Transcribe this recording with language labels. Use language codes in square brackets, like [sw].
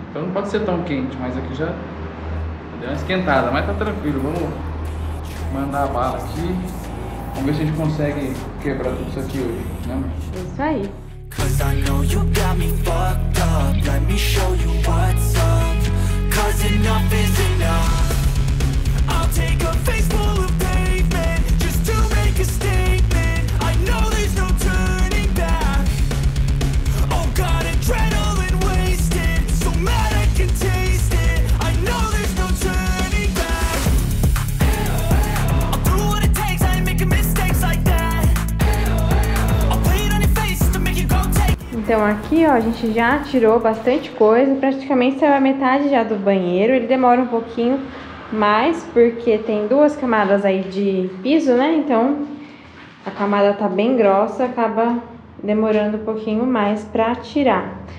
[pt] Então não pode ser tão quente, mas aqui já deu uma esquentada, mas tá tranquilo, vamos mandar a bala aqui. Vamos ver se a gente consegue quebrar tudo isso aqui hoje, né? Isso aí. [en] Cause I know you got me fucked up. Let me show you what's up. Cause enough is enough. I'll take a face full of pavement just to make a statement. I know there's no turning back. Oh god, adrenaline wasted. So mad I can taste it. I know there's no turning back. I'll do what it takes, I ain't making mistakes like that. I'll play it on your face to make you go take. [pt] Então aqui, ó, a gente já tirou bastante coisa, praticamente saiu a metade já do banheiro. Ele demora um pouquinho, mas porque tem duas camadas aí de piso, né? Então a camada tá bem grossa, acaba demorando um pouquinho mais pra tirar.